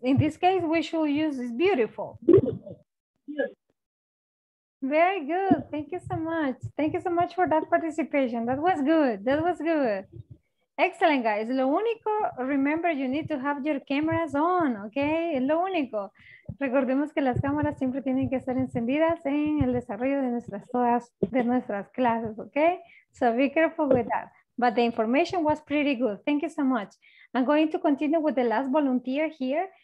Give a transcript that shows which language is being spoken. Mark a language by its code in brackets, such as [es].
[en] In this case, we should use it's beautiful. Very good. Thank you so much. Thank you so much for that participation. That was good. That was good. Excellent, guys. [es] Lo único, [en] remember, you need to have your cameras on, okay? [es] Lo único. Recordemos que las cámaras siempre tienen que estar encendidas en el desarrollo de nuestras clases, okay? [en] So be careful with that. But the information was pretty good. Thank you so much. I'm going to continue with the last volunteer here.